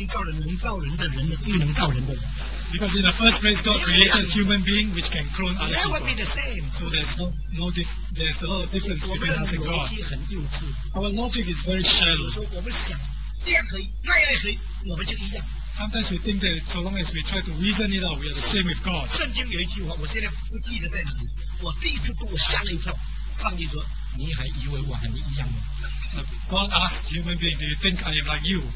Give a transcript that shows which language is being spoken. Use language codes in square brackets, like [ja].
[zh] 对不对呢？当你造的人也能造人，那你才有一点力量。当你造的人能够再造人的，上帝已经造了能造人的人的，不能造人的人。 [en] Because in the first place, God created human being, which can clone other people. Never be the same. So there's a lot of difference between us and God. Our logic is very shallow. [zh] 有时候我们想这样可以，那样也可以，我们就一样。 [en] Sometimes we think that so long as we try to reason it out, we are the same with God. [zh] 圣经有一句话，我现在不记得在哪里。我第一次读，我吓了一跳。上帝说。你还以为我和你一样吗? [en] God asked human being, do you think I am like you?